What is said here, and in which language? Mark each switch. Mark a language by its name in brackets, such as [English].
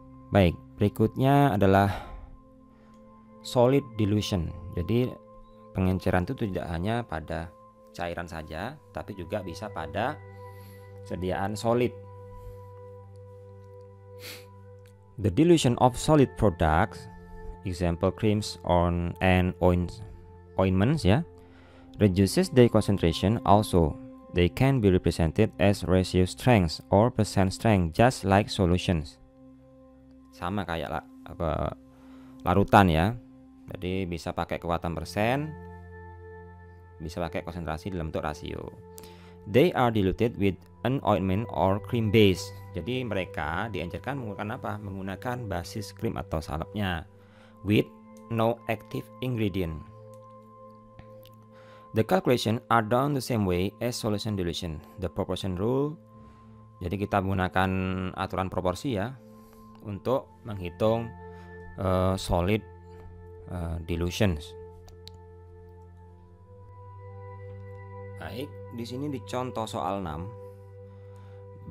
[Indonesian] Baik, berikutnya adalah solid dilution. Jadi pengenceran itu tidak hanya pada cairan saja, tapi juga bisa pada sediaan solid. [English] The dilution of solid products, example creams on and ointments, ya, reduces their concentration. Also, they can be represented as ratio strengths or percent strength, just like solutions. [Indonesian] Sama kayak larutan ya. Jadi bisa pakai kekuatan persen, bisa pakai konsentrasi dalam bentuk rasio. [English] They are diluted with an ointment or cream base. [Indonesian] Jadi mereka dianjurkan menggunakan apa? Menggunakan basis krim atau salepnya [English] with no active ingredient. The calculation are done the same way as solution dilution, the proportion rule. [Indonesian] Jadi kita menggunakan aturan proporsi ya untuk menghitung solid dilutions. Baik, di sini dicontoh soal 6.